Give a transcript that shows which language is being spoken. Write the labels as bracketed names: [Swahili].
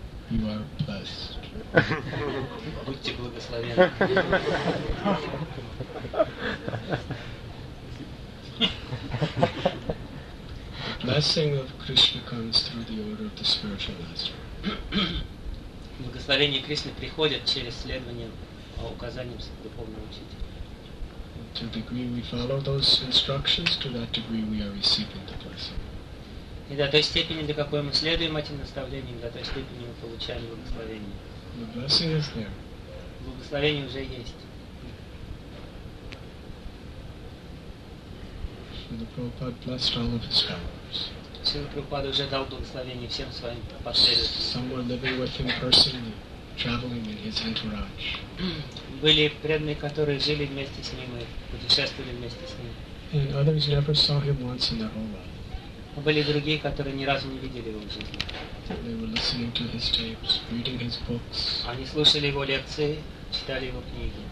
[English] You are blessed. [Russian] Будьте благословенны. [English] The blessing of Krishna comes through the order of the spiritual master. [Russian] Благословение Кришны приходит через следование указаниям духовного учителя. [English] To the degree we follow those instructions, to that degree we are receiving the blessing. [Russian] И до той степени, до какой мы следуем этим наставлениям, до той степени мы получаем благословение. [English] The blessing is there. [Russian] Благословение уже есть. [English] Srila Prabhupada blessed all of his followers. [Russian] Srila Prabhupada уже дал благословение всем своим последователям. [English] Some were living with him personally, traveling in his entourage. [Russian] Были преданные, которые жили вместе с ним и путешествовали вместе с ним. [English] And others never saw him once in their whole life. [Russian] Были другие, которые ни разу не видели его в жизни. [English] They were listening to his tapes, reading his books. [Russian] Они слушали его лекции, читали его книги.